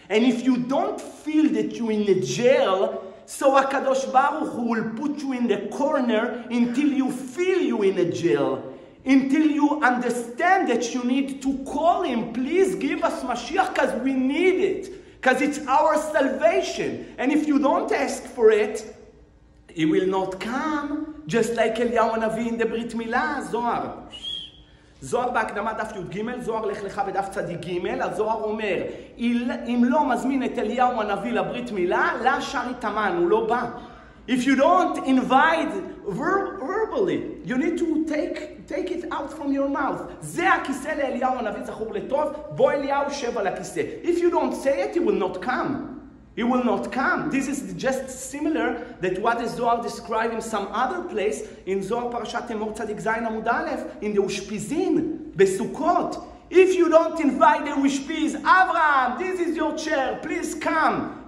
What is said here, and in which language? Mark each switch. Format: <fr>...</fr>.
<en>And if you don't feel that you're in a jail, so HaKadosh Baruch Hu will put you in the corner until you feel you're in a jail. Until you understand that you need to call him, please give us Mashiach because we need it. Because it's our salvation. And if you don't ask for it, he will not come. Just like Eliyahu Navi in the Brit Milah, Zohar.</en> <he>Zohar בהקדמה דף י' ג', Zohar לך לך בדף צדי ג', הזוהר אומר, אם לא מזמין את Eliyahu Navi לברית מילה, לא שר איתמן, הוא לא בא.</he> <en>If you don't invite verbally, you need to take it out from your mouth.</en> <he>זה הכיסא לאליהו הנביא זכור לטוב, בוא אליהו שב על הכיסא.</he> <en>If you don't say it, he will not come. He will not come. This is just similar that what is Zohar described in some other place, in Zohar Parashat Emor Tzadik Zayin Amud Aleph, in the Ushpizin, Besukot. If you don't invite the Ushpiz, Abraham, this is your chair, please come.</en>